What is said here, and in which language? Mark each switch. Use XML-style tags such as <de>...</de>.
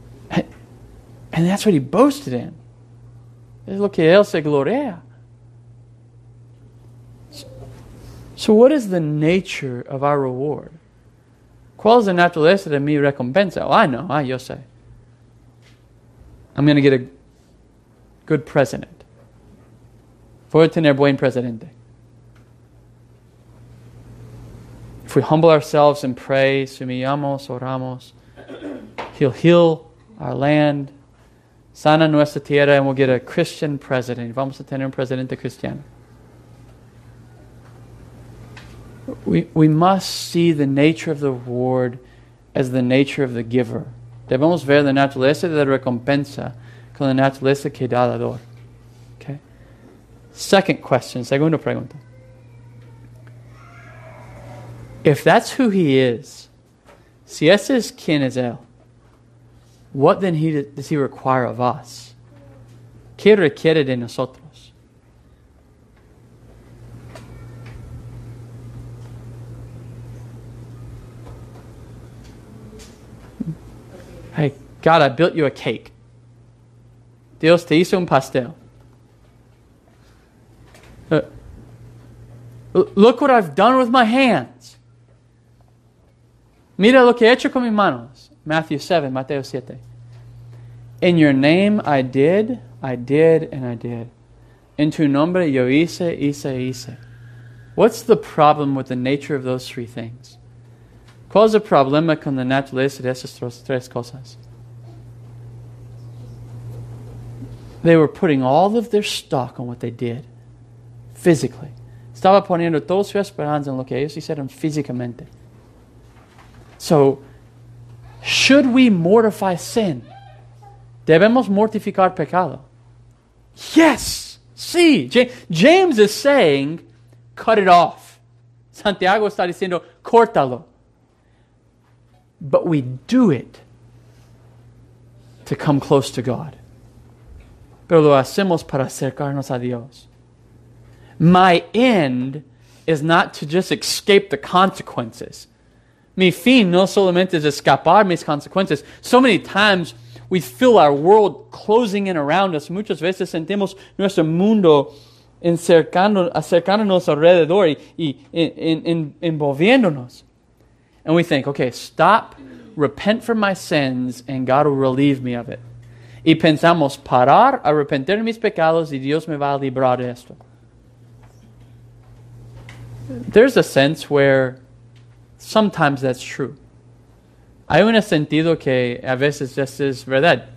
<en>And that's what he boasted in.</en> <es>Es lo que él se gloria.</es> <en>So what is the nature of our reward?</en> <es>¿Cuál es la naturaleza de mi recompensa?</es> <en>Oh, I know,</en> <es>yo sé.</es> <en>I'm going to get a good president.</en> <es>Voy a tener buen presidente.</es> <en>If we humble ourselves and pray,</en> <es>sumillamos, oramos,</es> <en>he'll heal our land,</en> <es>sana nuestra tierra,</es> <en>and we'll get a Christian president.</en> <es>Vamos a tener un presidente cristiano.</es> <en>We must see the nature of the reward as the nature of the giver.</en> <es>Debemos ver la naturaleza de la recompensa con la naturaleza que da el dador.</es> <en>Second question,</en> <es>segunda pregunta.</es> <en>If that's who he is,</en> <es>si ese es quien es él,</es> <en>what then does he require of us?</en> <es>¿Qué requiere de nosotros?</es> <en>Hey, God, I built you a cake.</en> <es>Dios te hizo un pastel.</es> <en>Look what I've done with my hands.</en> <es>Mira lo que he hecho con mis manos.</es> <en>Matthew 7, Mateo 7. In your name I did.</en> <es>En tu nombre yo hice.</es> <en>What's the problem with the nature of those three things?</en> <es>¿Cuál es el problema con la naturaleza de esas tres cosas?</es> <en>They were putting all of their stock on what they did physically.</en> <es>Estaba poniendo toda su esperanza en lo que ellos hicieron físicamente.</es> <en>So, should we mortify sin?</en> <es>¿Debemos mortificar pecado?</es> <en>Yes! See, James is saying, cut it off.</en> <es>Santiago está diciendo, córtalo.</es> <en>But we do it to come close to God.</en> <es>Pero lo hacemos para acercarnos a Dios.</es> <en>My end is not to just escape the consequences.</en> <es>Mi fin no solamente es escapar mis consecuencias.</es> <en>So many times we feel our world closing in around us.</en> <es>Muchas veces sentimos nuestro mundo acercándonos alrededor y envolviéndonos.</es> <en>And we think, okay, stop, repent from my sins, and God will relieve me of it.</en> <es>Y pensamos, parar, arrepentir de mis pecados, y Dios me va a librar de esto.</es> <en>There's a sense where sometimes that's true.</en> <es>Hay un sentido que a veces esto es verdad.</es>